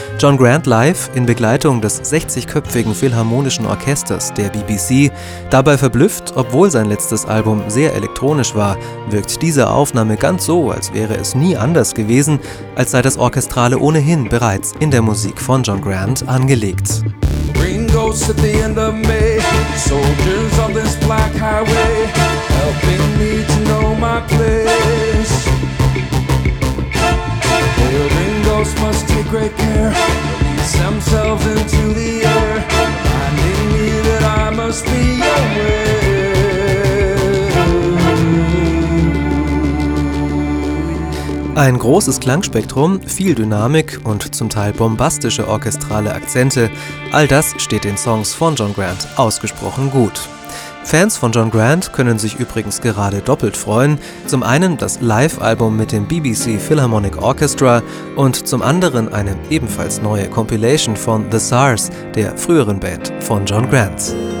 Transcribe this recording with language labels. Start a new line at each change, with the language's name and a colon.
German: John Grant live in Begleitung des 60-köpfigen Philharmonischen Orchesters der BBC. Dabei verblüfft, obwohl sein letztes Album sehr elektronisch war, wirkt diese Aufnahme ganz so, als wäre es nie anders gewesen, als sei das Orchestrale ohnehin bereits in der Musik von John Grant angelegt.
English: Ghosts at the end of May, soldiers on this black highway, helping me to know my place. Building ghosts must take great care, release themselves into the air, reminding me that I must be aware.
German: Ein großes Klangspektrum, viel Dynamik und zum Teil bombastische orchestrale Akzente, all das steht den Songs von John Grant ausgesprochen gut. Fans von John Grant können sich übrigens gerade doppelt freuen, zum einen das Live-Album mit dem BBC Philharmonic Orchestra und zum anderen eine ebenfalls neue Compilation von The Sars, der früheren Band von John Grant.